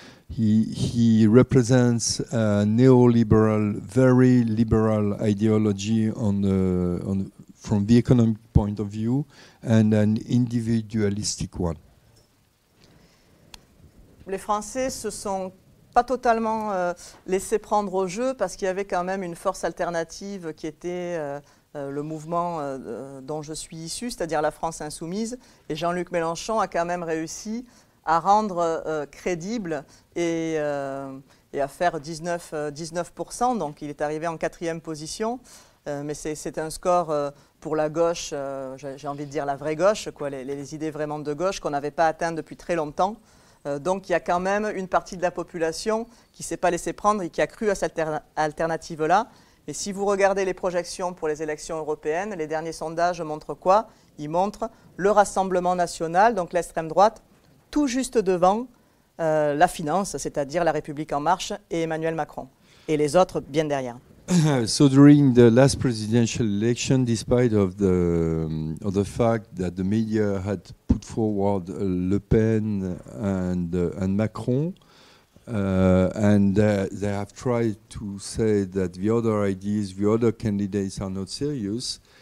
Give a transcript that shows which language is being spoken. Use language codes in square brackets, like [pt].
[en] He represents a neoliberal, very liberal ideology from the economic point of view, and an individualistic one. [fr] Les Français se sont pas totalement laissés prendre au jeu parce qu'il y avait quand même une force alternative qui était le mouvement dont je suis issu, c'est-à-dire la France insoumise. Et Jean-Luc Mélenchon a quand même réussi à rendre crédible et à faire 19%, donc il est arrivé en quatrième position, mais c'est un score pour la gauche, j'ai envie de dire la vraie gauche, quoi, les idées vraiment de gauche qu'on n'avait pas atteint depuis très longtemps. Donc il y a quand même une partie de la population qui ne s'est pas laissée prendre et qui a cru à cette alternative-là. Mais si vous regardez les projections pour les élections européennes, les derniers sondages montrent quoi? Ils montrent le Rassemblement national, donc l'extrême droite, tout juste devant la finance, c'est-à-dire La République en marche et Emmanuel Macron, et les autres bien derrière. [en] So during the last presidential election, despite of the fact that the media had put forward Le Pen and Macron, they have tried to say that the other ideas, the other candidates are not serious.